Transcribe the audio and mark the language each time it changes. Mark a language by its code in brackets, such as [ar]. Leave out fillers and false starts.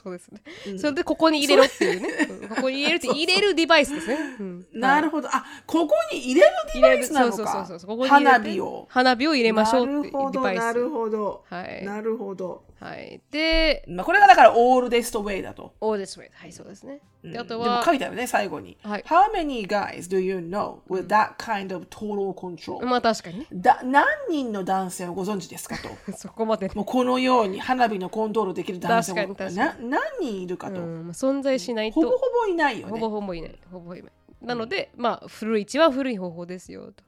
[ja] そうですね、うん、それでここに入れろっていうね、ここに入れるって入れるデバイスですね、うん、なるほど、あ、ここに入れるデバイスなのか、そうそうそうそう、ここに花火を、花火を入れましょうっていうデバイス、なるほど、なるほど、はい、なるほど、はい、で、まあ、これがだからオールデストウェイだと、オールデストウェイ、はい、そうですね、で、あとは、うん、でも書いてあるね最後に、はい、 [en] How many guys do you know with that kind of total control? [ja] まあ確かにね、だ、何人の男性をご存知ですかとそこまで、もうこのように花火のコントロールできる男性を、確かに確かに、何人いるかと、うん、存在しないと、ほぼほぼいないよね、ほぼほぼいない、ほぼいない、なので、うん、まあ古い一は古い方法ですよと、